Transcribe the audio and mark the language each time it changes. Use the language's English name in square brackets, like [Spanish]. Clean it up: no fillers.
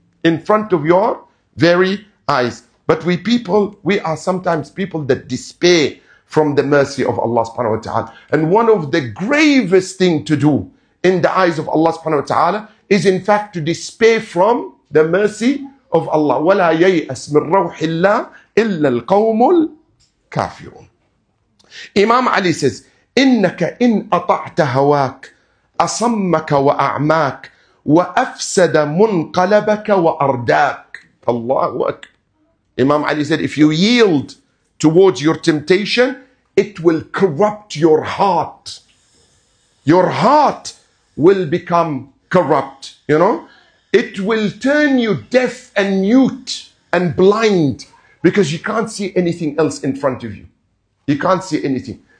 [English] In front of your very eyes. But we people, we are sometimes people that despair from the mercy of Allah subhanahu wa ta'ala. And one of the gravest thing to do in the eyes of Allah subhanahu wa ta'ala is in fact to despair from the mercy of Allah. [Arabic] وَلَا يَيْأَسْ مِنْ رَوْحِ اللَّهِ إِلَّا الْقَوْمُ الْكَافِرُونَ [English] Imam Ali says, [Arabic] إِنَّكَ إِنْ أَطَعْتَ هَوَاكَ أَصَمَّكَ وَأَعْمَاكَ وَأَفْسَدَ مُنْقَلَبَكَ وَأَرْدَاكَ Allahu Akbar. [English] Imam Ali said, if you yield towards your temptation, it will corrupt your heart. Your heart will become corrupt, you know. It will turn you deaf and mute and blind because you can't see anything else in front of you. You can't see anything.